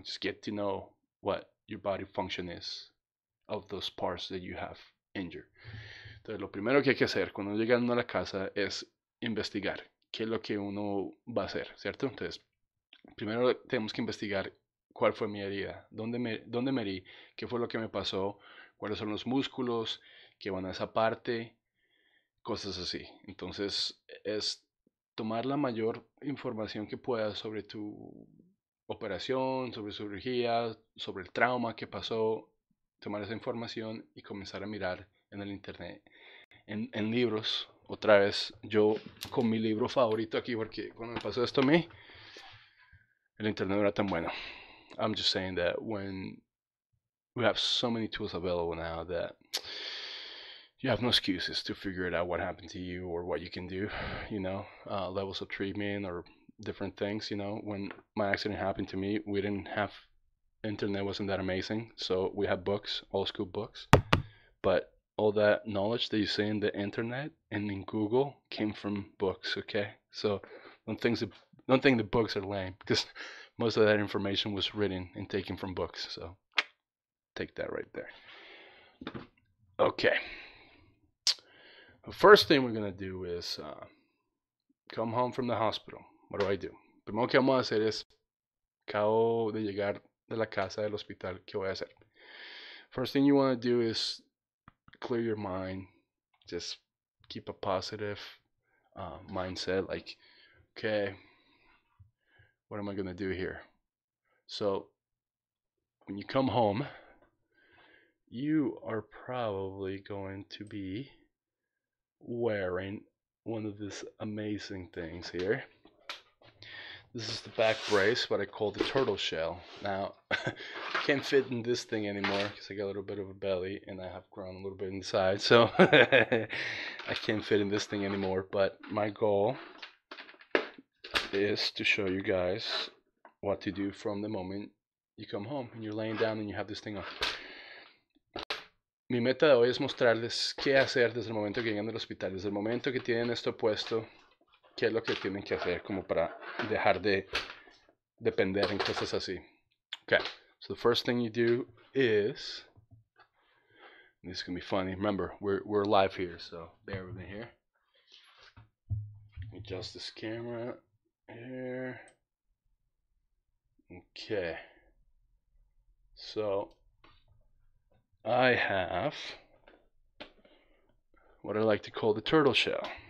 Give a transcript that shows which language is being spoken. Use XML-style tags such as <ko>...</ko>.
<en>Just get to know what your body function is of those parts that you have injured.</en> <es>Entonces, lo primero que hay que hacer cuando llega uno a la casa es investigar qué es lo que uno va a hacer, ¿cierto? Entonces, primero tenemos que investigar cuál fue mi herida, dónde me herí, qué fue lo que me pasó, cuáles son los músculos que van a esa parte, cosas así. Entonces, es tomar la mayor información que puedas sobre tu operación, sobre cirugía, sobre el trauma que pasó, tomar esa información y comenzar a mirar en el internet, en libros. Otra vez, yo con mi libro favorito aquí, porque cuando me pasó esto a mí, el internet no era tan bueno.</es> <en>I'm just saying that when we have so many tools available now that you have no excuses to figure it out what happened to you or what you can do, you know, levels of treatment or different things, you know. When my accident happened to me, we didn't have, internet wasn't that amazing, so we had books, old school books, but all that knowledge that you see in the internet and in Google came from books, okay? So don't think the books are lame, because most of that information was written and taken from books, so take that right there. Okay. The first thing we're going to do is come home from the hospital. What do?</en> <es>Primero que vamos a hacer es, acabo de llegar de la casa del hospital, ¿qué voy a hacer?</es> <en>First thing you want to do is clear your mind. Just keep a positive mindset, like, okay, what am I going to do here? So, when you come home, you are probably going to be wearing one of these amazing things here. This is the back brace, what I call the turtle shell. Now, I can't fit in this thing anymore because I got a little bit of a belly and I have grown a little bit inside, so I can't fit in this thing anymore. But my goal is to show you guys what to do from the moment you come home and you're laying down and you have this thing on.</en> <es>Mi meta de hoy es mostrarles qué hacer desde el momento que llegan al hospital, desde el momento que tienen esto puesto, qué es lo que tienen que hacer como para dejar de depender en cosas así.</es> <en>Okay, so the first thing you do is, this is going to be funny, remember, we're live here, so bear with me here. Adjust this camera here. Okay, so I have what I like to call the turtle shell.</en>